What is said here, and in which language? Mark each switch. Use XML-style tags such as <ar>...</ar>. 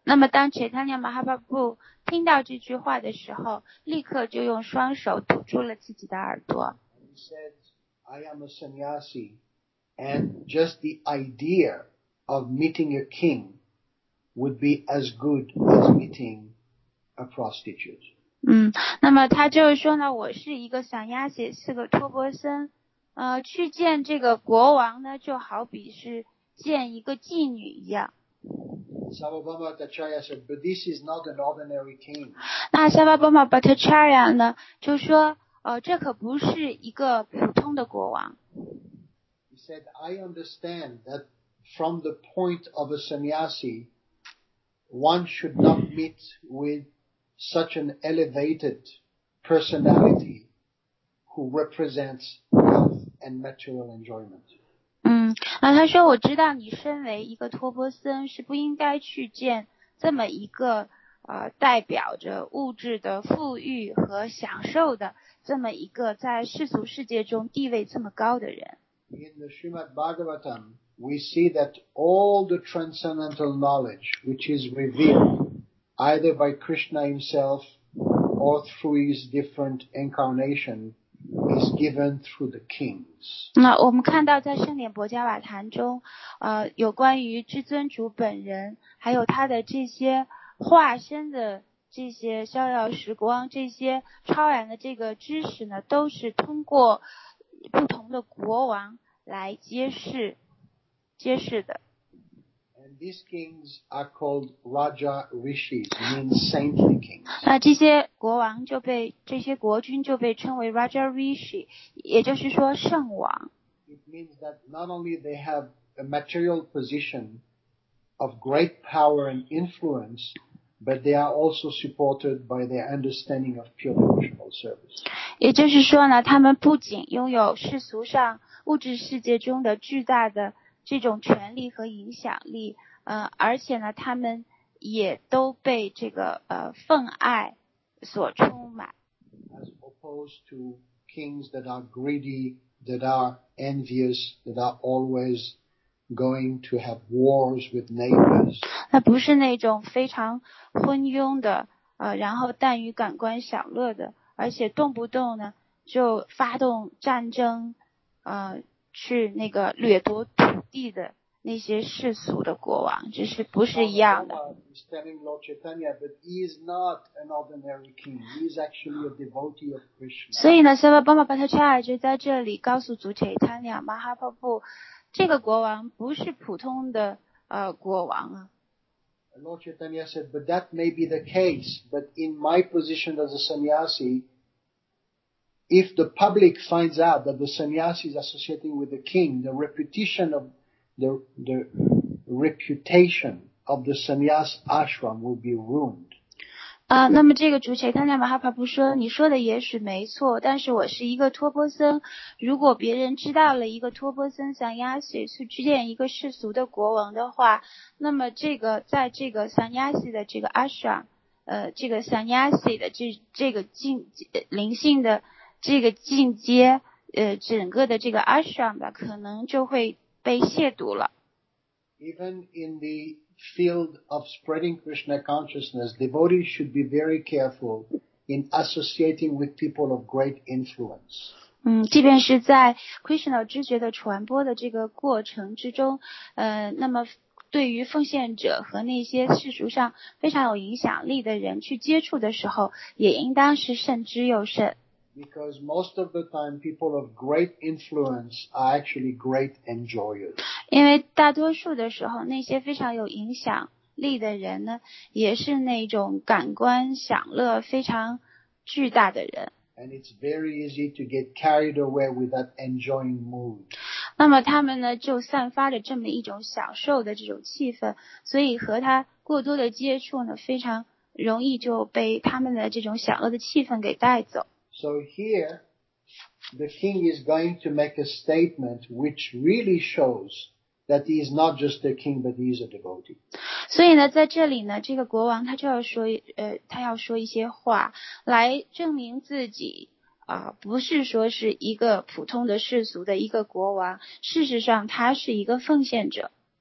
<zh>那么当 Chaitanya Mahaprabhu听到这句话的时候立刻就用双手堵住了自己的耳朵</zh> <en>He said, I am a sannyasi and just the idea of meeting a king would be as good as meeting a prostitute</en> <zh>那么他就说呢我是一个sannyasi是个托钵僧去见这个国王呢就好比是见一个妓女一样</zh> <en>Sarvabhauma Bhattacharya said, but this is not an ordinary king.</en> <zh>那 Sarvabhauma Bhattacharya 呢就说这可不是一个普通的国王。</zh> <en>He said, I understand that from the point of a sannyasi, one should not meet with such an elevated personality who represents wealth and material enjoyment.</en> <zh>那他说我知道你身为一个托钵僧是不应该去见这么一个代表着物质的富裕和享受的这么一个在世俗世界中地位这么高的人。</zh> <en>In the Srimad Bhagavatam, we see that all the transcendental knowledge which is revealed either by Krishna himself or through his different incarnation,is given through the kings.</en> <zh>那我们看到在圣典博迦瓦坛中有关于至尊主本人还有他的这些化身的这些逍遥时光这些超然的这个知识呢都是通过不同的国王来揭示的。</zh> <en>And these kings are called Raja Rishi, means saintly kings.</en> <zh>那这些国王就被这些国君就被称为 Raja Rishi, 也就是说圣王。</zh> <en>It means that not only they have a material position of great power and influence, but they are also supported by their understanding of pure devotional service.</en> <zh>也就是说呢，他们不仅拥有世俗上物质世界中的巨大的这种权力和影响力而且呢他们也都被这个奉爱所充满。</zh> <en>As opposed to kings that are greedy, that are envious, that are always going to have wars with neighbors.</en> <zh>那不是那种非常昏庸的然后耽于感官享乐的而且动不动呢就发动战争去那个掠夺土地的那些世俗的国王，这是不是一样的？</zh> <en>He's telling Lord Chaitanya, but he is not an ordinary king. He is actually a devotee of Krishna.</en> <zh>所以呢，萨瓦巴玛巴塔恰就在这里告诉祖 Chaitanya Mahaprabhu， 这个国王不是普通的国王啊。</zh> <en>And Lord Chaitanya said, but that may be the case. But in my position as a sannyasi. If the public finds out that the sannyasi is associating with the king, the reputation of the reputation of the sannyas ashram will be ruined.</en> <zh>那么这个主持人刚才马哈帕布说，你说的也许没错，但是我是一个托钵僧。如果别人知道了一个托钵僧sannyasi是去见一个世俗的国王的话，那么这个在这个sannyasi的这个 ashram， 这个sannyasi的这个灵性的这个进阶整个的这个 ashram 吧可能就会被亵渎了。</zh> <en>Even in the field of spreading Krishna consciousness, devotees should be very careful in associating with people of great influence.</en> <zh>即便是在 Krishna 知觉的传播的这个过程之中，那么对于奉献者和那些世俗上非常有影响力的人去接触的时候，也应当是慎之又慎。</zh> <en>Because most of the time, people of great influence are actually great enjoyers.</en> <zh>因为大多数的时候，那些非常有影响力的人呢，也是那种感官享乐非常巨大的人。</zh> <en>And it's very easy to get carried away with that enjoying mood.</en> <zh>那么他们呢，就散发着这么一种享受的这种气氛，所以和他过多的接触呢，非常容易就被他们的这种享乐的气氛给带走。</zh> <en>So here, the king is going to make a statement which really shows that he is not just a king, but he is a devotee.</en> <zh>所以呢，在这里呢，这个国王他就要说，他要说一些话来证明自己啊，不是说是一个普通的世俗的一个国王，事实上他是一个奉献者。</zh>